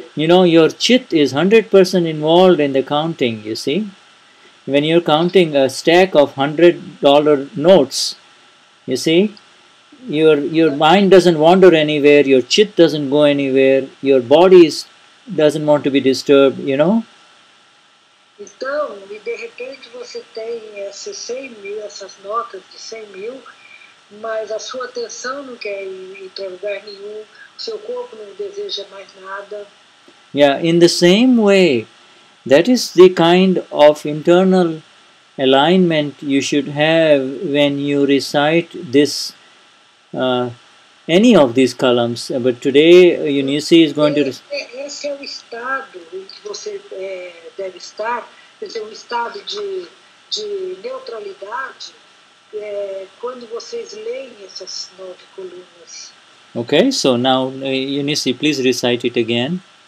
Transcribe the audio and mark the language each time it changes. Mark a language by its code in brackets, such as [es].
[en] You know, your chit is 100% involved in the counting, you see? When you're counting a stack of $100 notes, you see? Your mind doesn't wander anywhere, your chit doesn't go anywhere, your body doesn't want to be disturbed, you know? [pt] Então, e de repente você tem esses 100 mil, essas notas de 100 mil, mas a sua atenção não quer ir para lugar nenhum, seu corpo não deseja mais nada. [en] Yeah, in the same way, that is the kind of internal alignment you should have when you recite this any of these columns, but today Eunice is going to... [pt] Esse é o estado em que você deve estar, esse é um estado de neutralidade quando vocês leem essas 9 colunas. [en] Okay, so now Eunice, please recite it again.